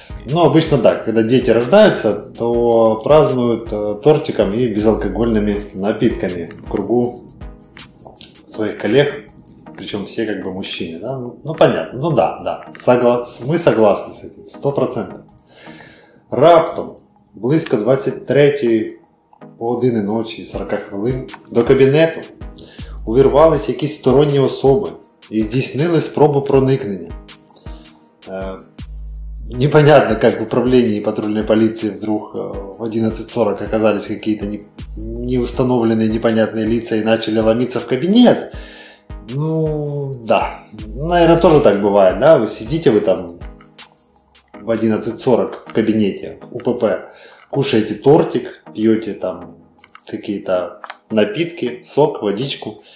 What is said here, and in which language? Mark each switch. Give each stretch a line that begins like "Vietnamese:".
Russian: Ну, обычно так, когда дети рождаются, то празднуют тортиком и безалкогольными напитками в кругу своих коллег, причем все как бы мужчины. Да? Ну, понятно, ну да, да, мы согласны с этим, 100%.
Ukrainian: Раптом, близко 23:01 ночи, 40 хвилин, до кабинету увірвались якісь сторонні особи і здійснили спробу проникнення.
Russian: Непонятно, как в управлении патрульной полиции вдруг в 11:40 оказались какие-то неустановленные непонятные лица и начали ломиться в кабинет. Ну, да. Наверное, тоже так бывает, да? Вы сидите вы там в 11:40 в кабинете УПП, кушаете тортик, пьете там какие-то напитки, сок, водичку.